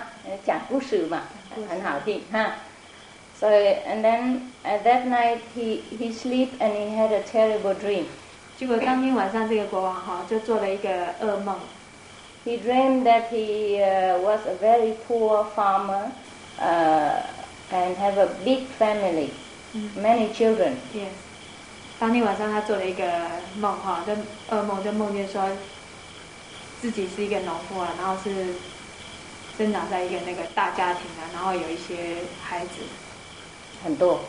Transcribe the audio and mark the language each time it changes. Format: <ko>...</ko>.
<zh>听懂他的话吗？听不懂我的话，就听他的话，好吧？讲故事嘛，很好听。</zh> <en>So and then at that night he sleep and he had a terrible dream.</en> <zh>结果当天晚上，这个国王就做了一个噩梦。</zh> <en>He dreamed that he was a very poor farmer, and have a big family, many children. Yes.</en> <zh>当天晚上他做了一个噩梦，就梦见说。自己是一个农夫，然后是生长在一个大家庭，然后有一些孩子，很多，</zh>